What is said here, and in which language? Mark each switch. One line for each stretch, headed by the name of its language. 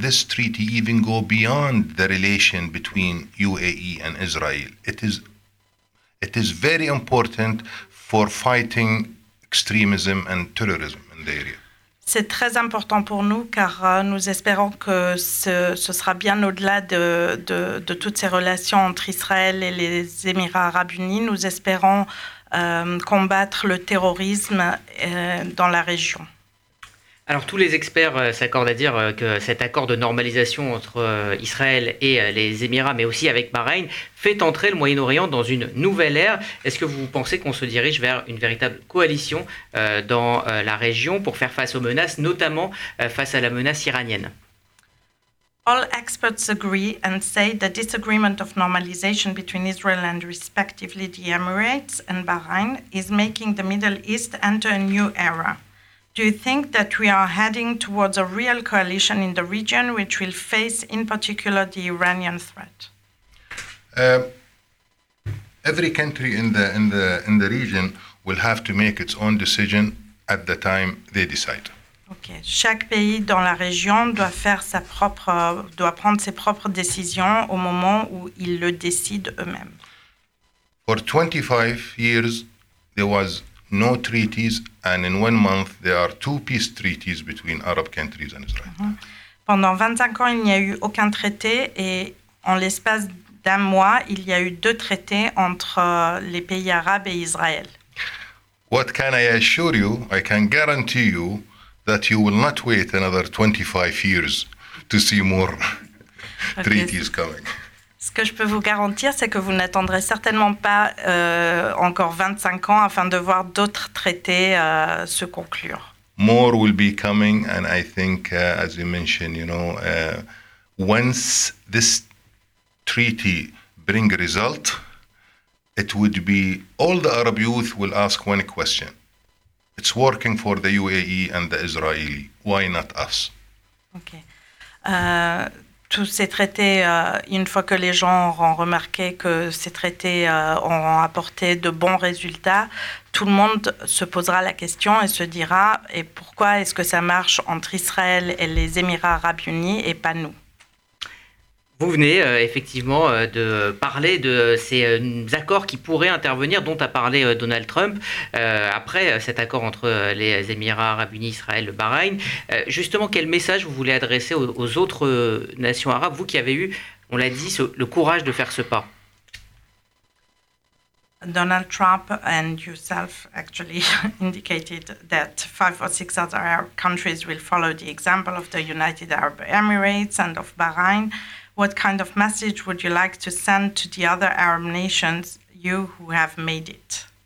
English: This treaty even go beyond the relation between UAE and Israel. It is very important for fighting extremism and terrorism in the area.
French: C'est très important pour nous, car nous espérons que ce sera bien au-delà de toutes ces relations entre Israël et les Émirats Arabes Unis. Nous espérons combattre le terrorisme dans la région. Alors, tous les experts s'accordent à dire que cet accord de normalisation entre Israël et les Émirats, mais aussi avec Bahreïn, fait entrer le Moyen-Orient dans une nouvelle ère. Est-ce que vous pensez qu'on se dirige vers une véritable coalition dans la région pour faire face aux menaces, notamment face à la menace iranienne?
English: All experts agree and say that this agreement of normalization between Israel and respectively the Emirates and Bahrain is making the Middle East enter a new era. Do you think that we are heading towards a real coalition in the region which will face in particular the Iranian threat? Every country in the region will have to make its own decision at the time they decide. Okay.
French: Chaque pays dans la région doit faire doit prendre ses propres décisions au moment où ils le décident eux-mêmes.
English: For 25 years, there was no treaties, and in 1 month, there are 2 peace treaties between Arab countries and Israel. Mm-hmm.
French: Pendant 25 ans, il n'y a eu aucun traité, et en l'espace d'un mois, il y a eu 2 traités entre les pays arabes et Israël.
English: What can I assure you? I can guarantee you that you will not wait another 25 years to see more treaties coming.
French: Ce que je peux vous garantir, c'est que vous n'attendrez certainement pas encore 25 ans afin de voir d'autres traités se conclure.
English: More will be coming, and I think, as you mentioned, you know, once this treaty bring result, it would be all the Arab youth will ask one question. It's working for the UAE and the Israeli. Why not us? Okay.
French: tous ces traités, une fois que les gens auront remarqué que ces traités auront apporté de bons résultats, tout le monde se posera la question et se dira, et pourquoi est-ce que ça marche entre Israël et les Émirats arabes unis et pas nous ? Vous venez effectivement de parler de ces accords qui pourraient intervenir, dont a parlé Donald Trump, après cet accord entre les Émirats arabes unis, Israël, le Bahreïn. Justement, quel message vous voulez adresser aux autres nations arabes, vous qui avez eu, on l'a dit, le courage de faire ce pas?
English: Donald Trump and yourself actually indicated that five or six other Arab countries will follow the example of the United Arab Emirates and of Bahrain. What kind of message would you like to send to the other Arab nations, you who have made it?